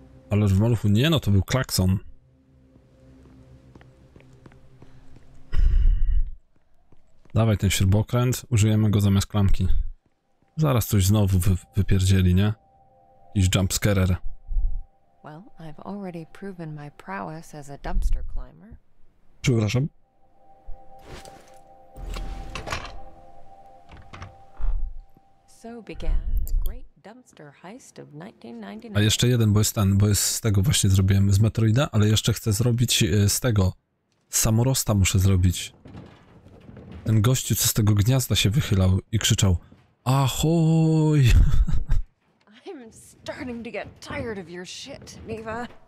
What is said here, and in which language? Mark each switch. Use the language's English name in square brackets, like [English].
[Polish] Ale w maluchu nie, no to był klakson. Dawaj ten śrubokręt, użyjemy go zamiast klamki. Zaraz coś znowu wypierdzieli, nie? Jakiś jumpscarer. [English] Well, I've already proven my prowess as a dumpster climber. [Polish] Przepraszam. [English] so began the great dumpster heist of 1999. [Polish] A jeszcze jeden, bo jest z tego właśnie zrobiłem, z Metroida, ale jeszcze chcę zrobić z tego. Samorosta muszę zrobić. Ten gościu, co z tego gniazda się wychylał i krzyczał: Ahoj! [English] I'm starting to get tired of your shit, Neva.